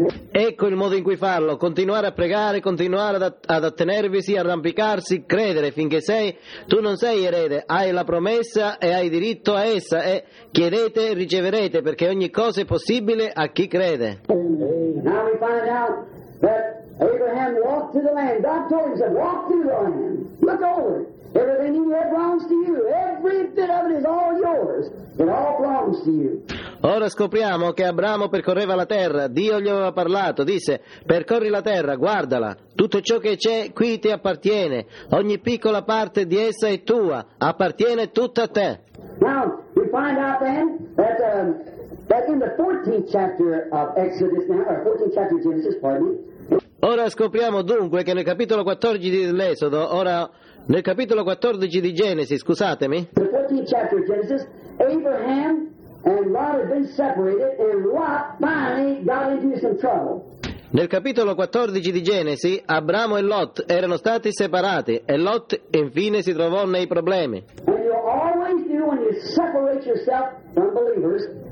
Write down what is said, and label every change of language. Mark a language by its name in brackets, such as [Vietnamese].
[Italian] Ecco il modo in cui farlo: continuare a pregare, continuare ad attenervisi, arrampicarsi, credere finché sei. Tu non sei erede, hai la promessa e hai diritto a essa. E chiedete e riceverete, perché ogni cosa è possibile a chi crede. [English] Now we find out that Abraham walked through the land. God told him, he said, walk through the land. Look over it. Everything in here belongs to you. Every bit of it is all yours. It all belongs to you. [Italian] Ora scopriamo che Abramo percorreva la terra. Dio gli aveva parlato, disse: percorri la terra, guardala. Tutto ciò che c'è qui ti appartiene. Ogni piccola parte di essa è tua. Appartiene tutta a te. [English] Now, we find out then that, that in the 14th chapter of Exodus now, or 14th chapter of Genesis, pardon me, [Italian] ora scopriamo dunque che nel capitolo 14 dell'Esodo, ora nel capitolo 14 di Genesi, scusatemi. [English] The 14th chapter of Genesis, Abraham and Lot had been separated, and Lot finally got into some trouble. [Italian] Nel capitolo 14 di Genesi, Abramo e Lot erano stati separati, e Lot infine si trovò nei problemi. [English] And you always do when you separate yourself from believers.